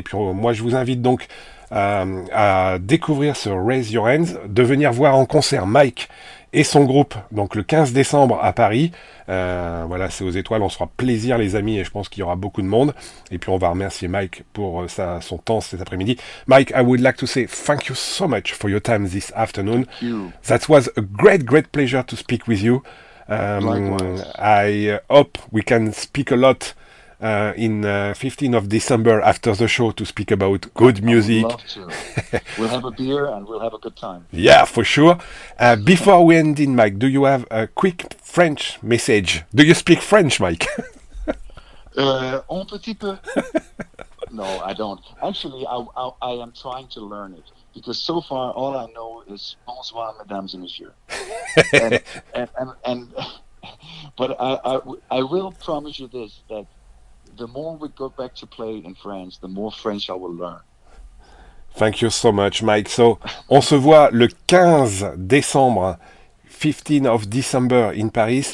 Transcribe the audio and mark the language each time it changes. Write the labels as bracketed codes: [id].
[fr] Et puis moi, je vous invite donc à découvrir ce Raise Your Hands, de venir voir en concert Mike et son groupe, donc le 15 décembre à Paris. Voilà, c'est aux étoiles, on se fera plaisir les amis, et je pense qu'il y aura beaucoup de monde. Et puis on va remercier Mike pour son temps cet après-midi. [en] Mike, I would like to say thank you so much for your time this afternoon. Thank you. That was a great, great pleasure to speak with you. Likewise. I hope we can speak a lot in 15th of December after the show to speak about good music. We'll have a beer and we'll have a good time. Yeah, for sure. Before we end in, Mike, do you have a quick French message? Do you speak French, Mike? [fr] un petit peu. [en] No, I don't. Actually, I am trying to learn it. Because so far, all I know is [fr] bonsoir, mesdames et messieurs. [en] And but I will promise you this, that the more we go back to play in France, the more French I will learn. Thank you so much, Mike. [fr] So, on se voit le 15 décembre, [en] 15 of December in Paris.